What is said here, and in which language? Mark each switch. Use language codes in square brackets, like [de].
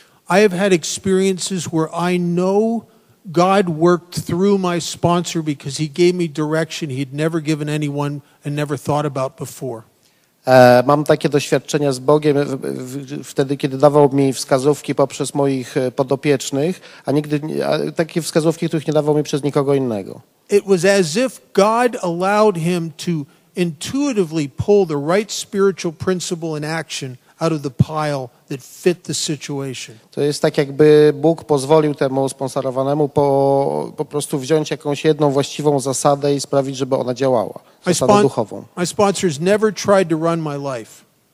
[en] I have had experiences where I know God worked through my sponsor because he gave me direction he'd never given anyone and never thought about before. [pl] Mam takie doświadczenia z Bogiem wtedy, kiedy dawał mi wskazówki poprzez moich podopiecznych, a nigdy takie wskazówki, których nie dawał mi przez nikogo innego. [en] It was as if God allowed him to intuitively pull the right spiritual principle in action out of the pile that fit the situation. [pl] To jest tak, jakby Bóg pozwolił temu sponsorowanemu po prostu wziąć jakąś jedną właściwą zasadę i sprawić, żeby ona działała, zasadę duchową. [en] My sponsor has never tried to run my life.